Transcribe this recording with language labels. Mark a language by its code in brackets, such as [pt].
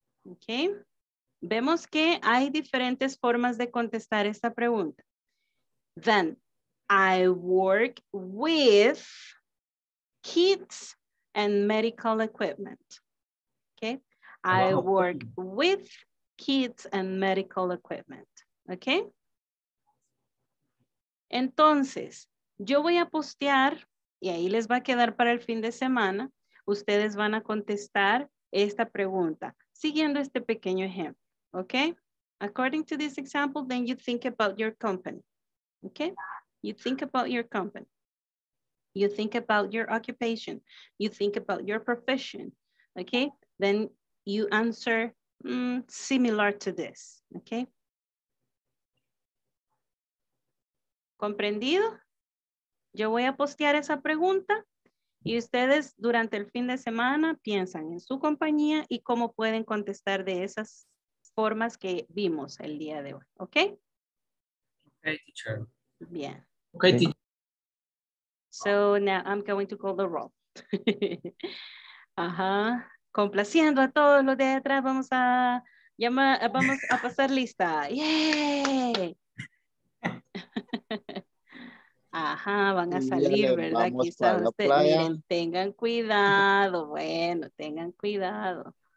[es] Okay, vemos que hay diferentes formas de contestar esta pregunta. [en] Then I work with kits and medical equipment, okay? Wow. I work with kits and medical equipment, okay? [es] Entonces, yo voy a postear, y ahí les va a quedar para el fin de semana, ustedes van a contestar esta pregunta, siguiendo este pequeño ejemplo, okay? [en] According to this example, then you think about your company, okay? You think about your company. You think about your occupation. You think about your profession. Okay, then you answer similar to this. Okay. [es] ¿Comprendido? Yo voy a postear esa pregunta y ustedes durante el fin de semana piensan en su compañía y cómo pueden contestar de esas formas que vimos el día de hoy, ¿ok? [en] Ok, teacher. [es] Bien. [en] Ok, teacher. So now I'm going to call the roll. [es] Ajá. Complaciendo a todos los de atrás, vamos a llamar, vamos a pasar lista. ¡Yay! Ajá, van a salir, ¿verdad? Quizás ustedes, miren, tengan cuidado, bueno, tengan cuidado.